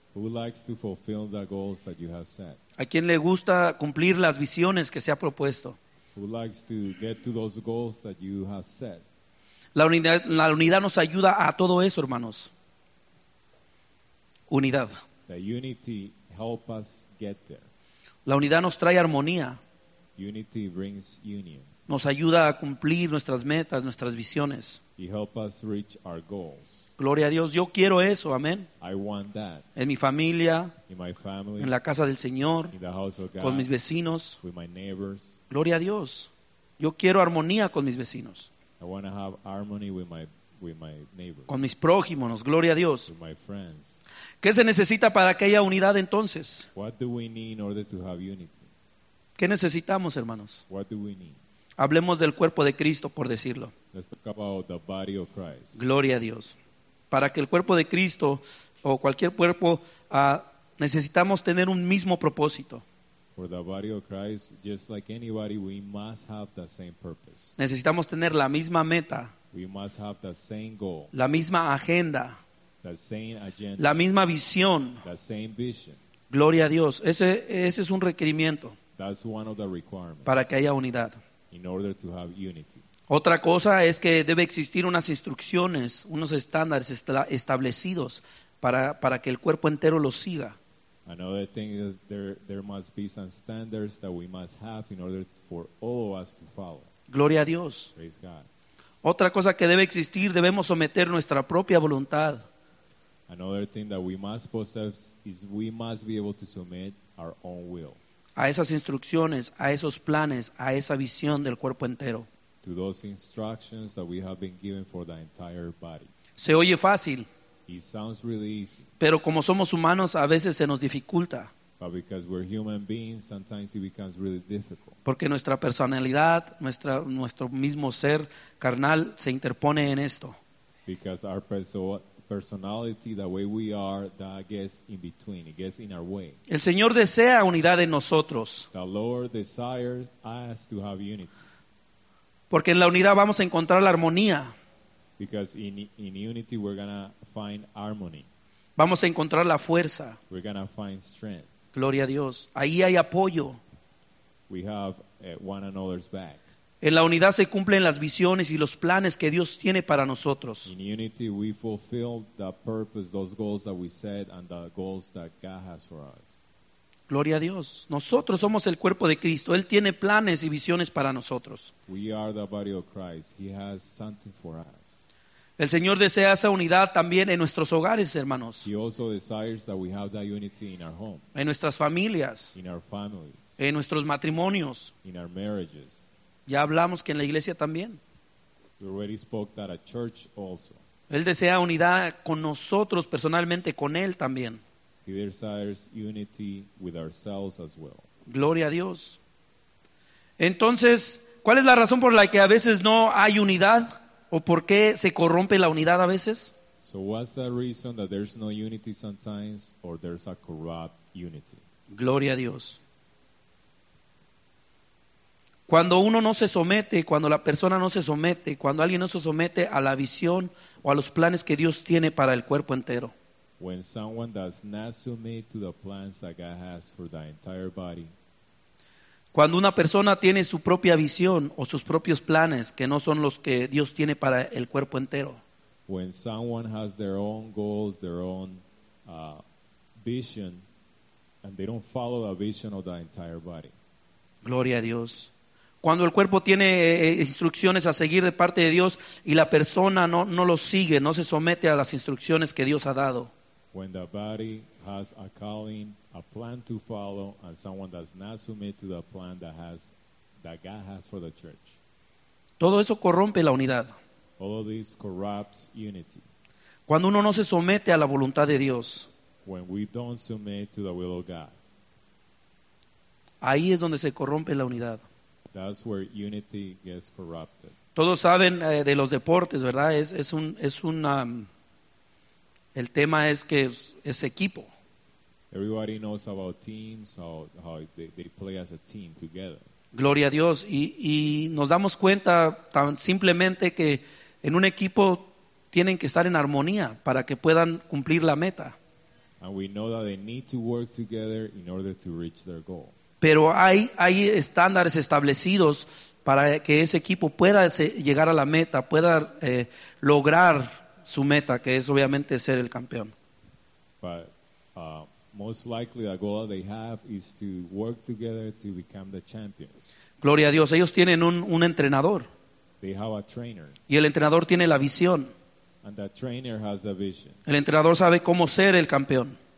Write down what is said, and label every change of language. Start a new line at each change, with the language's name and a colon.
English: Who likes to fulfill the goals that you have set?
Spanish: ¿A quién le gusta cumplir las visiones que se ha propuesto?
English: Who likes to get to those goals that you have set?
Spanish: La unidad nos ayuda a todo eso, hermanos. Unidad.
English: The unity help us get there.
Spanish: La unidad nos trae armonía.
English: Unity brings union.
Spanish: Nos ayuda a cumplir nuestras metas, nuestras visiones.
English: He help us reach our goals.
Spanish: Gloria a Dios. Yo quiero eso. Amén.
English: I want that.
Spanish: En mi familia.
English: In my family.
Spanish: En la casa del Señor.
English: In the house of God.
Spanish: Con mis vecinos.
English: With my neighbors.
Spanish: Gloria a Dios. Yo quiero armonía con mis vecinos.
English: I want to have harmony with my neighbors.
Spanish: Con mis prójimos. Gloria a Dios.
English: With my friends.
Spanish: ¿Qué se necesita para que haya unidad entonces?
English: What do we need in order to have unity?
Spanish: ¿Qué necesitamos, hermanos?
English: What do we need?
Spanish: Hablemos del cuerpo de Cristo, por decirlo.
English: Let's talk about the body of Christ.
Spanish: Gloria a Dios. Para que el cuerpo de Cristo o cualquier cuerpo necesitamos tener un mismo propósito.
English: For the body of Christ, just like anybody, we must have the same purpose.
Spanish: Necesitamos tener la misma meta.
English: We must have the same goal.
Spanish: La misma agenda.
English: The same agenda.
Spanish: La misma visión.
English: The same vision.
Spanish: Gloria a Dios. Ese es un requerimiento.
English: That's one of the requirements.
Spanish: Para que haya unidad.
English: In order to have unity.
Spanish: Otra cosa es que debe existir unas instrucciones, unos estándares establecidos para que el cuerpo entero los siga.
English: Another thing is there must be some standards that we must have in order for all of us to follow.
Spanish: Gloria a Dios.
English: Praise God.
Spanish: Otra cosa que debe existir, debemos someter nuestra propia voluntad.
English: Another thing that we must possess is we must be able to submit our own will.
Spanish: A esas instrucciones, a esos planes, a esa visión del cuerpo entero.
English: To those instructions that we have been given for the entire body.
Spanish: Se oye fácil.
English: It sounds really easy.
Spanish: Pero como somos humanos, a veces se nos dificulta.
English: But because we're human beings, sometimes it becomes really difficult.
Spanish: Porque nuestra personalidad, nuestro mismo ser carnal se interpone en esto.
English: Because our personality, the way we are, that gets in between, it gets in our way.
Spanish: El Señor desea unidad en nosotros.
English: The Lord desires us to have unity.
Spanish: Porque en la unidad vamos a encontrar la armonía.
English: Because in unity we're gonna find harmony.
Spanish: Vamos a encontrar la fuerza.
English: We're gonna find strength.
Spanish: Gloria a Dios. Ahí hay apoyo.
English: We have one another's back.
Spanish: En la unidad se cumplen las visiones y los planes que Dios tiene para nosotros.
English: In unity we fulfill the purpose, those goals that we set and the goals that God has for us.
Spanish: Gloria a Dios. Nosotros somos el cuerpo de Cristo. Él tiene planes y visiones para nosotros.
English: We are the body of Christ. He has something for us.
Spanish: El Señor desea esa unidad también en nuestros hogares, hermanos.
English: He also desires that we have that unity in our home.
Spanish: En nuestras familias.
English: In our families.
Spanish: En nuestros matrimonios.
English: In our marriages.
Spanish: Ya hablamos que en la iglesia también.
English: We already spoke that at church also.
Spanish: Él desea unidad con nosotros personalmente, con Él también.
English: He desires unity with ourselves as well.
Spanish: Gloria a Dios. Entonces, ¿cuál es la razón por la que a veces no hay unidad? ¿O por qué se corrompe la unidad a veces?
English: So what's the reason that there's no unity sometimes or there's a corrupt unity?
Spanish: Gloria a Dios. Cuando uno no se somete, cuando la persona no se somete, cuando alguien no se somete a la visión o a los planes que Dios tiene para el cuerpo entero.
English: When someone does not submit to the plans that God has for the entire body.
Spanish: Cuando una persona tiene su propia visión o sus propios planes que no son los que Dios tiene para el cuerpo entero.
English: When someone has their own goals, their own vision, and they don't follow the vision of the entire body.
Spanish: Gloria a Dios. Cuando el cuerpo tiene instrucciones a seguir de parte de Dios y la persona no lo sigue, no se somete a las instrucciones que Dios ha dado.
English: When the body has a calling, a plan to follow, and someone does not submit to the plan that God has for the church.
Spanish: Todo eso corrompe la unidad.
English: All of this corrupts unity.
Spanish: Cuando uno no se somete a la voluntad de Dios.
English: When we don't submit to the will of God.
Spanish: Ahí es donde se corrompe la unidad.
English: That's where unity gets corrupted.
Spanish: Todos saben de los deportes, ¿verdad? Es un el tema es que es equipo.
English: Everybody knows about teams, how they play as a team together.
Spanish: Gloria a Dios. Y nos damos cuenta tan simplemente que en un equipo tienen que estar en armonía para que puedan cumplir la meta.
English: And we know that they need to work together in order to reach their goal.
Spanish: Pero hay estándares establecidos para que ese equipo pueda llegar a la meta, pueda lograr su meta, que es obviamente ser el campeón.
English: But most likely the goal they have is to work together to become the champions.
Spanish: Gloria a Dios, ellos tienen un entrenador.
English: They have a trainer.
Spanish: Y el entrenador tiene la visión.
English: And the trainer has the vision.
Spanish: El entrenador sabe cómo ser el campeón.